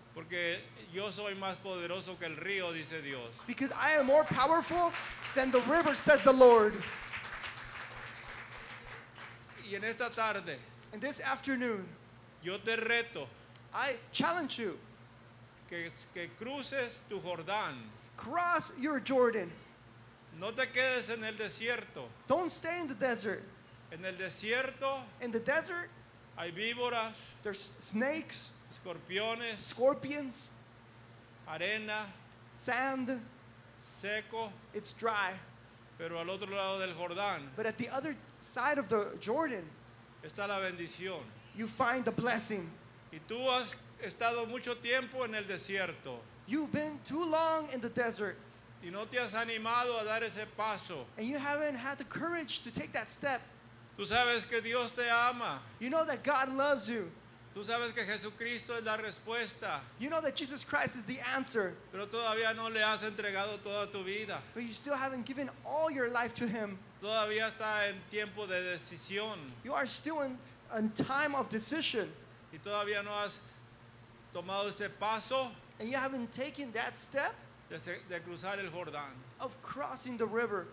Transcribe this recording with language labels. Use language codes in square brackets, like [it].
[es] Porque yo soy más poderoso que el río, dice Dios. [en] Because I am more powerful than the river, says the Lord. [es] Y en esta tarde, [en] and this afternoon, [es] yo te reto, [en] I challenge you, [es] que cruces tu Jordán. [en] Cross your Jordan. [es] No te quedes en el desierto. [en] Don't stay in the desert. [es] En el desierto, [en] in the desert, [es] hay víboras, [en] there's snakes, [es] escorpiones, [en] scorpions, [es] arena, [en] sand, [es] seco, [en] it's dry. [es] Pero al otro lado del Jordán, [en] but at the other side of the Jordan, [es] está la bendición. [en] You find the blessing. [es] Y tú has estado mucho tiempo en el desierto. [en] You've been too long in the desert. [es] Y no te has animado a dar ese paso. [en] And you haven't had the courage to take that step. [es] Tú sabes que Dios te ama. [en] You know that God loves you. [es] Tú sabes que Jesucristo es la respuesta. [en] You know that Jesus Christ is the answer. [es] Pero todavía no le has entregado toda tu vida. [en] But you still haven't given all your life to him. [es] Todavía está en tiempo de decisión. [en] You are still in time of decision. [es] Y todavía no has tomado ese paso. [en] And you haven't taken that step. [es] De cruzar el Jordán. [en] Of crossing the river.